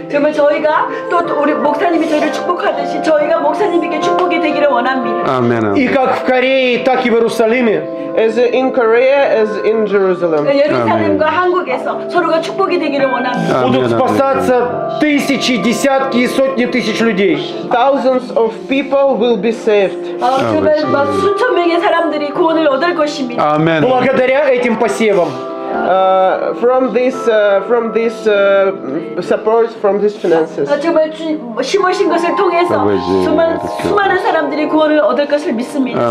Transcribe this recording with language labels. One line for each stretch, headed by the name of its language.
Korean: 그러면 저희가 또 우리 목사님이 저희를 축복하듯이 저희가 목사님에게 축복이 되기를 원합니다. 아멘.
Russian: 이 각 в Корее, так и в Иерусалиме.
English: As in Korea, as in Jerusalem.
Korean: 예루살렘과 한국에서 서로가 축복이 되기를 원합니다.
Russian: 모두 спасаться тысячи, десятки и сотни тысяч людей.
English: Thousands of people will be saved.
Korean: 수천 명의 사람들이 구원을 얻을 것입니다. 아멘.
Russian: благодаря этим посевам.
English: From this, from this support, from these finances.
Korean: 정말 심으신 것을 통해서 수많은 사람들이 구원을 얻을 것을 믿습니다.